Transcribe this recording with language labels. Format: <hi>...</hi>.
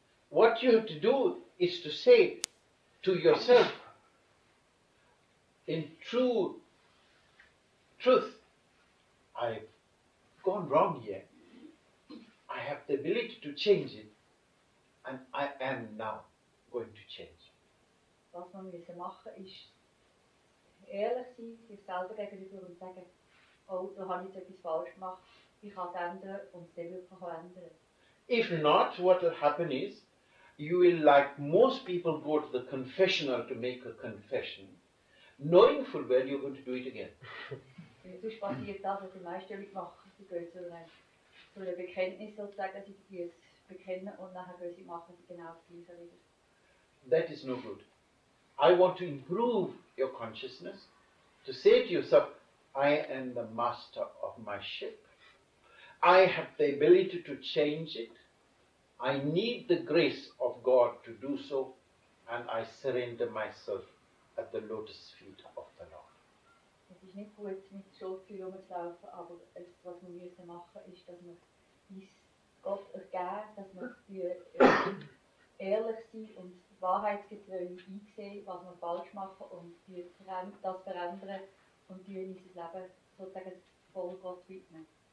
<en>What you have to do is to say to yourself, in true truth, I've gone wrong here. I have the ability to change it, and I am now going to change.</en> <de>Was man müssen machen, ist ehrlich sein, sich selber gegenüber und sagen, oh, da habe ich jetzt etwas falsch gemacht, ich kann es ändern und es dann wirklich ändern.</de> <en>If not, what will happen is, you will, like most people, go to the confessional to make a confession, knowing full well you're going to do it again.</en> <de>Sonst passiert das, was die meisten Leute machen, sie gehen zu einer Bekenntnis sozusagen, sie es bekennen und nachher gehen sie machen sie genau das gleiche wieder.</de> <en>That is no good. I want to improve your consciousness, to say to yourself, I am the master of my ship. I have the ability to change it. I need the grace of God to do so, and I surrender myself at the lotus feet of the Lord.</en> <de>Es ist nicht gut, mit Schuldgefühl rumzulaufen, aber was wir müssen machen, ist, dass wir uns Gott ergeben, dass wir für ehrlich sind und wahrheitsgetreu einsehen, was wir falsch machen und das verändern und die in unser Leben sozusagen voll Gott widmen.</de>